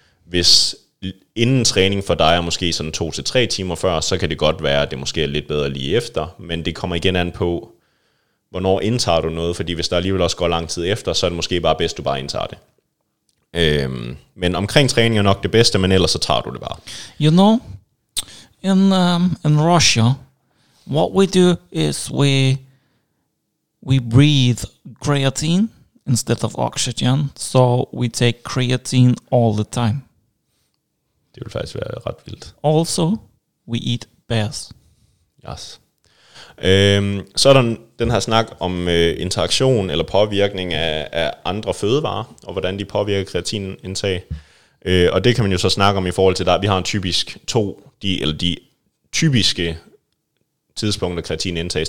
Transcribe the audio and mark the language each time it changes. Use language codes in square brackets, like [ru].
[da] Hvis inden træning for dig er måske sådan 2 til 3 timer før, så kan det godt være, at det måske er lidt bedre lige efter, men det kommer igen an på, hvornår indtager du noget, fordi hvis der alligevel også går lang tid efter, så er det måske bare bedst, du bare indtager det. Men omkring træning er nok det bedste, men ellers så tager du det bare. [en] You know, in Russia, what we do is we breathe creatine instead of oxygen, so we take creatine all the time. [da] Det vil faktisk være ret vildt. [en] Also, we eat bears. Yes. [da] Så er der den her snak om interaktion eller påvirkning af andre fødevarer, og hvordan de påvirker kreatinindtag. Og det kan man jo så snakke om i forhold til dig. Vi har en typisk de typiske tidspunkter, kreatin indtages.